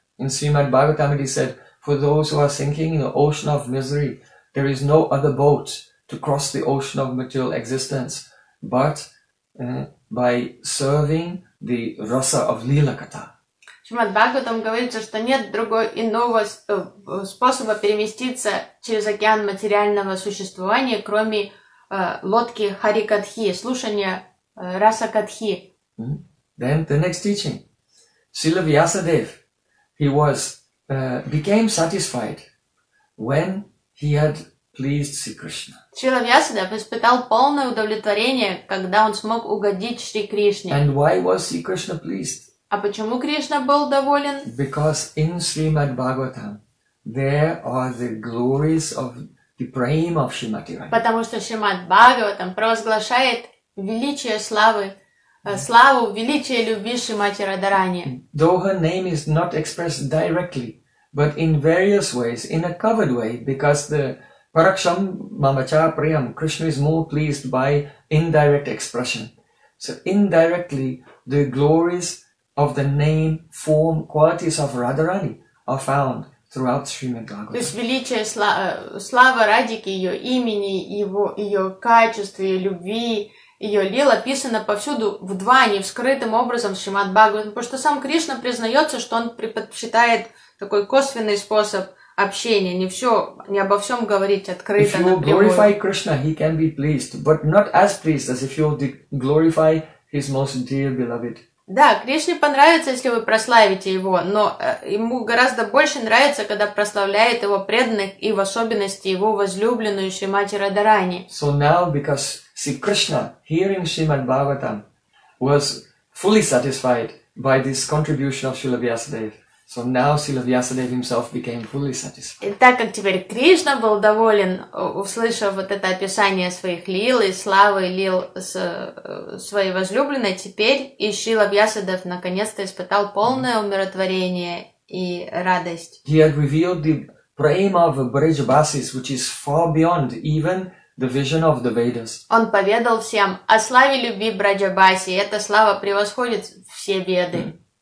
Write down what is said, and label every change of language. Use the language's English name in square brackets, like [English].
[English] In Srimad Bhagavatam, he said, for those who are sinking in the ocean of misery, there is no other boat to cross the ocean of material existence but by serving the rasa of lila kata. [Russian] Шримад Бхагаватам говорится, что нет другого иного способа переместиться через океан материального существования, кроме лодки Харикатхи, слушания Расакатхи. [English] Mm-hmm. Then the next teaching. Сила Вьясадев, he was became satisfied when he had pleased Sri Krishna. [Russian] Сила Вьясадев испытал полное удовлетворение, когда он смог угодить Шри Кришне. [English] And why was Sri Krishna pleased? [Russian] А почему Кришна был доволен? [English] Because in Srimad Bhagavatam there are the glories of the prema of Srimati Radha. [Russian] Потому что Шримад Бхагаватам провозглашает величие славы, славу, величие любви Шримати Радхарани. [English] Though her name is not expressed directly, but in various ways, in a covered way, because the [Sanskrit] Paraksham Mamacha Priyam, [English] Krishna is more pleased by indirect expression. So indirectly, the glories of the name, form, qualities of Radharani are found throughout Srimad Bhagavatam. [Russian] То есть величие слава Радики, ее имени, ее качества, ее любви, ее лила описано повсюду в двани, вскрытым образом в Шримад Бхагаватам, потому что сам Кришна признается, что он предпочитает такой косвенный способ общения, не все, не обо всем говорить открыто, напрямую. [English] If you glorify Krishna, he can be pleased, but not as pleased as if you glorify his most dear beloved. [Russian] Да, Кришне понравится, если вы прославите его, но ему гораздо больше нравится, когда прославляет его преданных и в особенности его возлюбленную Шримати Радхарани. [English] So now, because Sri Krishna, hearing Srimad Bhagavatam, was fully satisfied by this contribution of Srila Vyasadeva, so now Srila Vyasadeva himself became fully satisfied. [Russian] И так как теперь Кришна был доволен, услышав вот это описание своих лил и славы лил с своей возлюбленной, теперь и Шрила Вьясадева наконец-то испытал полное умиротворение и радость. [English] He had revealed the prema of Brajavasis, which is far beyond even the vision of the Vedas. [Russian] Он поведал всем о славе любви Браджабаси, и эта слава превосходит все Веды.